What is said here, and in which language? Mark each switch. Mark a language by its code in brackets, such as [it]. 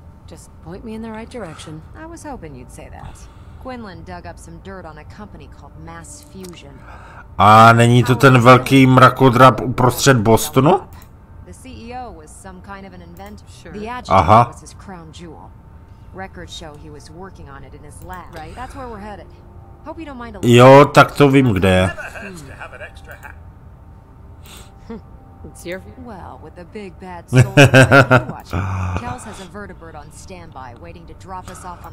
[en] Just point me in the right direction. I was hoping you'd say that. Quinlan dug up some dirt on a company called Mass Fusion. [cs] A není to ten velký mrakodrap uprostřed Bostonu? [en] The CEO was some kind of an inventor. Sure. The agent was his crown jewel. Records show he was working on it in his lab. Right. That's where we're headed. Hope you don't mind. [cs] Jo, tak to vím kde. [en] It's your well with the big bad soul. Kells has a vertibird on standby waiting to drop us off on.